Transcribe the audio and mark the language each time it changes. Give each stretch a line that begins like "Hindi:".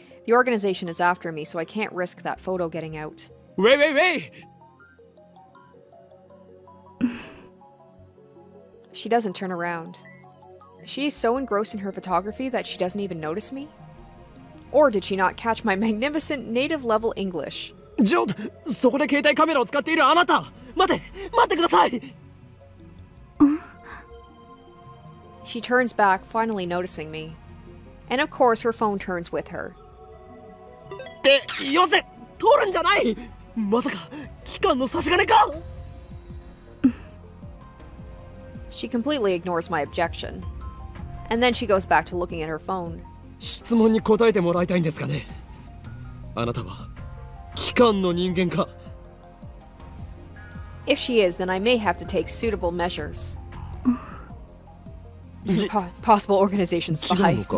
English: The organization is after me, so I can't risk that photo getting out. Wait! She doesn't turn around. She is so engrossed in her photography that she doesn't even notice me? Or did she not catch my magnificent native-level English?
Japanese: ちょっと、そこで携帯カメラを使っているあなた、待て、待ってください!
English: She turns back, finally noticing me. And of course, her phone turns with her.
Japanese: で、よせ、通るんじゃない!まさか、機関の差し金か!
English: She completely ignores my objection. And then she goes back to looking at her phone.
Japanese: 質問に答えてもらいたいんですかね? あなたは?機関の人間か?
English: If she is, then I may have to take suitable measures. Possible organization spy.